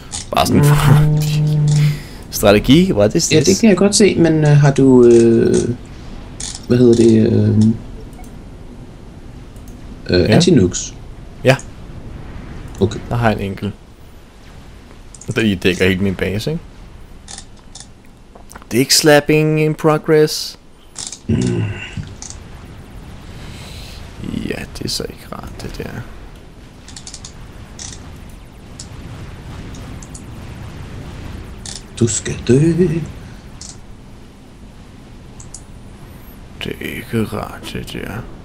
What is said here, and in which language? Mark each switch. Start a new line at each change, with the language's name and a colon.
Danish: Bare sådan... Strategi, hvad er det? Ja, det kan jeg godt se, men har du... hvad hedder det? Antinukes? Ja. Okay. Der har jeg en enkel. Der lige dækker helt min base, ikke?
English: Dick slapping in progress.
Danish: Ja, det er så ikke rart, det der. Du skal dø. Det er ikke rart, det der.